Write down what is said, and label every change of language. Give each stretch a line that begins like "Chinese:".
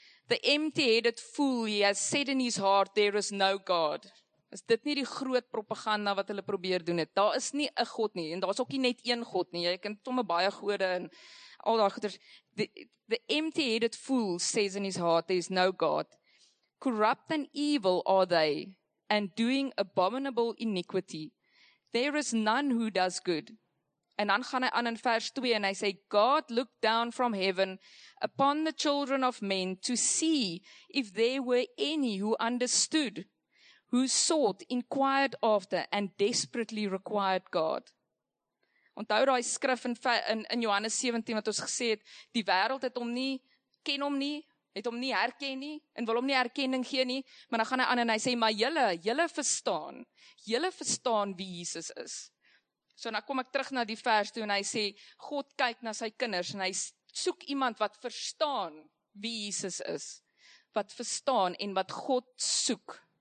English: The empty-headed fool, he has said in his heart, there is no God.
Afrikaans: Is dit nie die groot propaganda wat hulle probeer doen het? Daar is nie 'n God nie, en daar is ook nie net een God nie. Jy kan tomme baie gode en al daai goeders.
English: The empty-headed fool says in his heart, there is no God. Corrupt and evil are they, and doing abominable iniquity. There is none who does good.
Afrikaans: En dan gaan hy aan in vers 2 en hy sê,
English: God looked down from heaven upon the children of men to see if there were any who understood, who sought, inquired after and desperately required God.
Afrikaans: Onthou daai skrif in Johannes 17 wat ons gesê het, die wêreld het hom nie, ken hom nie, het hom nie herken nie en wil hom nie erkenning gee nie, maar dan gaan hy aan en hy sê, maar julle verstaan wie Jesus is. So dan kom ek terug na die vers toe en hy sê, God kyk na sy kinders en hy soek iemand wat verstaan wie Jesus is, wat verstaan en wat God soek.